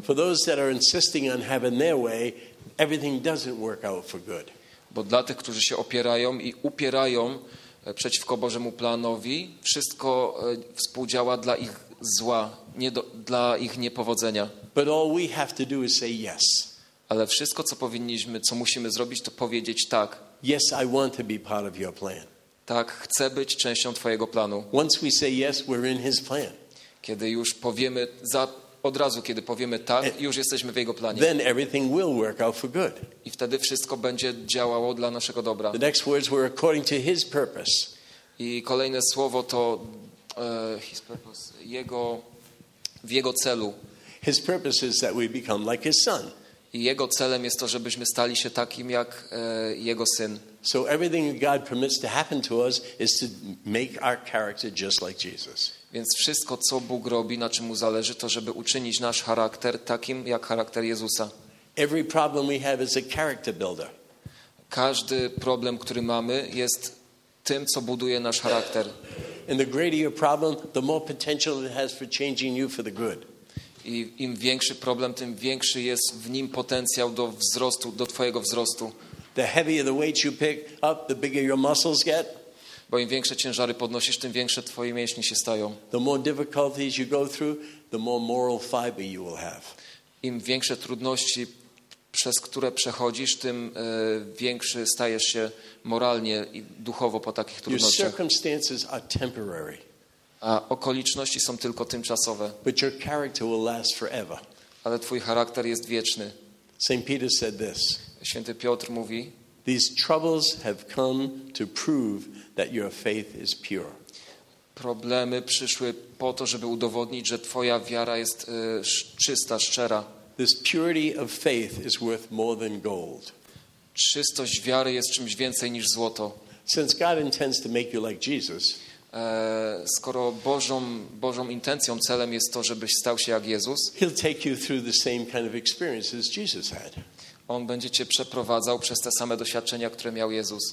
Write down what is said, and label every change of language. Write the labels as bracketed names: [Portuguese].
[English] For those that are insisting on having their way, everything doesn't work out for good. [Polish] Bo dla tych, którzy się opierają i upierają przeciwko Bożemu planowi, wszystko współdziała dla ich zła, dla ich niepowodzenia. [English] But all we have to do is say yes. [Polish] Ale wszystko, co musimy zrobić, to powiedzieć tak. [English] Yes, I want to be part of your plan. [Polish] Tak, chcę być częścią twojego planu. [English] Once we say yes, we're in his plan. [Polish] Kiedy już powiemy od razu, kiedy powiemy tak, już jesteśmy w jego planie. [English] Then everything will work out for good. [Polish] I wtedy wszystko będzie działało dla naszego dobra. [English] The next words were according to his purpose. [Polish] I kolejne słowo to [English] his purpose, [Polish] w jego celu. [English] His purpose is that we become like his son. [Polish] I jego celem jest to, żebyśmy stali się takim jak jego syn. [English] So everything God permits to happen to us is to make our character just like Jesus. [Polish] Więc wszystko, co Bóg robi, na czym mu zależy, to żeby uczynić nasz charakter takim jak charakter Jezusa. [English] Every problem we have is a character builder. [Polish] Każdy problem, który mamy, jest tym, co buduje nasz charakter. [English] And the greater your problem, the more potential it has for changing you for the good. [Polish] I im większy problem, tym większy jest w nim potencjał do wzrostu, do twojego wzrostu. [English] The heavier the weight you pick up, the bigger your muscles get. [Polish] Bo im większe ciężary podnosisz, tym większe twoje mięśnie się stają. [English] The more difficulties you go through, the more moral fiber you will have. [Polish] Im większe trudności, przez które przechodzisz, tym większy stajesz się moralnie i duchowo po takich trudnościach. [English] Your circumstances are temporary. [Polish] A okoliczności są tylko tymczasowe. [English] But your character will last forever. [Polish] Ale twój charakter jest wieczny. [English] St. Peter said this. [Polish] Święty Piotr mówi: [English] These troubles have come to prove that your faith is pure. [Polish] Problemy przyszły po to, żeby udowodnić, że twoja wiara jest czysta, szczera. [English] This purity of faith is worth more than gold. [Polish] Czystość wiary jest czymś więcej niż złoto. [English] Since God intends to make you like Jesus, [Polish] skoro Bożą intencją, celem jest to, żebyś stał się jak Jezus, [English] He'll take you through the same kind of experiences Jesus had. [Polish] On będzie cię przeprowadzał przez te same doświadczenia, które miał Jezus.